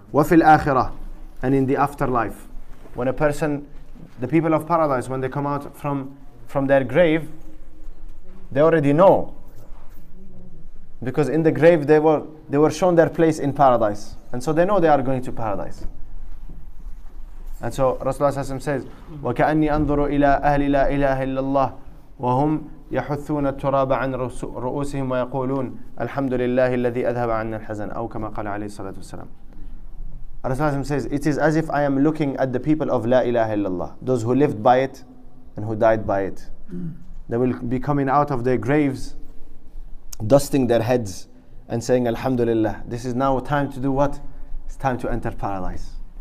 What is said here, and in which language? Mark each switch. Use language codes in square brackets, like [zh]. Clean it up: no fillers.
[ar] وفي الآخرة, [en] and in the afterlife, when a person, the people of paradise, when they come out from their grave, they already know, because in the grave they were shown their place in paradise, and so they know they are going to paradise. And so Rasulullah says, [ar] وكأني أنظر إلى أهل لا إله إلا الله وهم يحثون التراب عن رؤوسهم ويقولون الحمد لله الذي أذهب عنا الحزن, أو كما قال عليه الصلاة والسلام. [en] Rasulullah says, it is as if I am looking at the people of [ar] لا إله إلا الله, [en] those who lived by it and who died by it. They will be coming out of their graves, dusting their heads and saying Alhamdulillah, this is now time to do what? It's time to enter paradise.